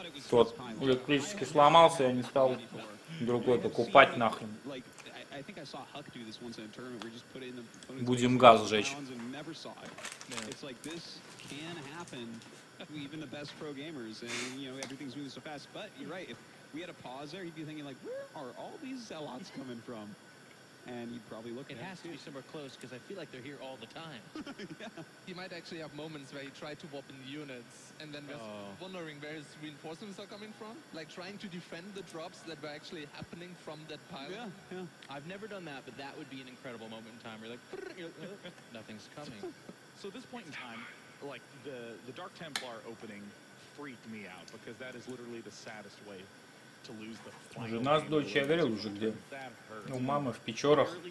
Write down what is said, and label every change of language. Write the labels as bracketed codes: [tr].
[ru] Тот электрический сломался, я не стал другой покупать нахрен. [en] I think I saw Huck do this once in a tournament where he just put it in the [ru] будем газ жечь. [en] And never saw it. Yeah. It's like this can happen to even the best pro gamers, and you know, everything's moving so fast. But you're right, if we had a pause there, he'd be thinking like, where are all these zealots coming from? And you'd probably look at it. It has to be somewhere close, because I feel like they're here all the time. Yeah. He might actually have moments where he tried to warp in the units, and then was wondering where his reinforcements are coming from. Like, trying to defend the drops that were actually happening from that pilot. Yeah, yeah. I've never done that, but that would be an incredible moment in time. Where you're like, nothing's coming. So at this point in time, like, the Dark Templar opening freaked me out, because that is literally the saddest way. [ru] Жена с дочь, я говорил уже где. У мамы в Печорах.